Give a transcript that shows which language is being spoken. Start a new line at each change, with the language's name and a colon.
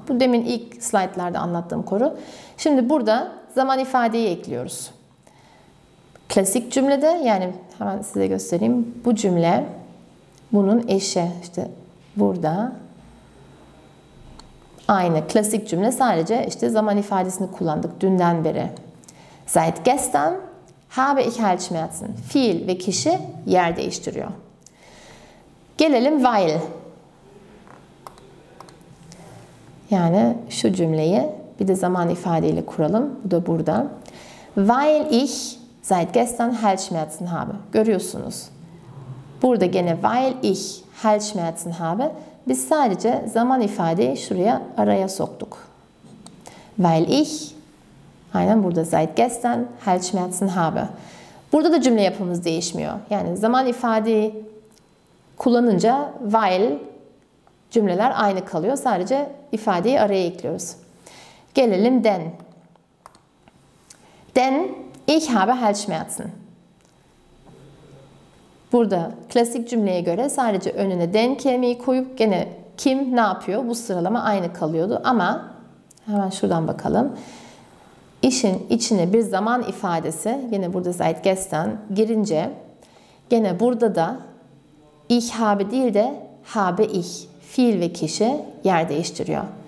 Turkish: Bu demin ilk slaytlarda anlattığım konu. Şimdi burada zaman ifadeyi ekliyoruz. Klasik cümlede yani hemen size göstereyim. Bu cümle bunun eşi işte burada aynı klasik cümle sadece işte zaman ifadesini kullandık dünden beri.
German: Seit gestern habe ich Halsschmerzen.
Turkish: Fiil ve kişi yer değiştiriyor. Gelelim weil. Yani şu cümleyi bir de zaman ifadeyle kuralım. Bu da burada.
German: Weil ich seit gestern Halsschmerzen habe.
Turkish: Görüyorsunuz. Burada gene
German: weil ich Halsschmerzen habe.
Turkish: Biz sadece zaman ifadeyi şuraya araya soktuk.
German: Weil ich
Turkish: aynen burada
German: seit gestern Halsschmerzen habe.
Turkish: Burada da cümle yapımız değişmiyor. Yani zaman ifadeyi kullanınca weil cümleler aynı kalıyor. Sadece ifadeyi araya ekliyoruz. Gelelim denn.
German: Denn ich habe Halsschmerzen.
Turkish: Burada klasik cümleye göre sadece önüne denn kelimeyi koyup gene kim ne yapıyor bu sıralama aynı kalıyordu. Ama hemen şuradan bakalım. İşin içine bir zaman ifadesi yine burada
German: seit gestern
Turkish: girince gene burada da
German: ich habe
Turkish: değil de
German: habe ich
Turkish: fiil ve kişi yer değiştiriyor.